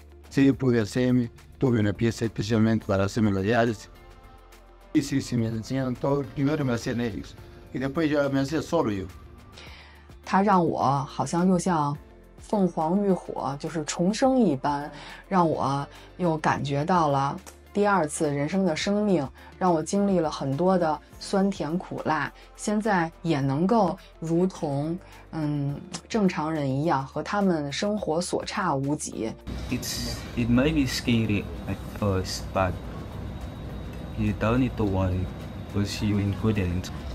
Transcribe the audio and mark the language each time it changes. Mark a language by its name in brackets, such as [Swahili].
[Spanish] Si yo pude hacerme, tuve una pieza especialmente para hacerme la diálisis. Y sí, sí, me enseñaron todo. Primero me hacían ellos. Y después ya me hacía solo yo. [Chinese] 它让我好像又像凤凰浴火，就是重生一般，让我又感觉到了第二次人生的生命，让我经历了很多的酸甜苦辣，现在也能够如同正常人一样和他们生活所差无几。 [English] It may be scary at first, but you don't need to worry, because you're confident.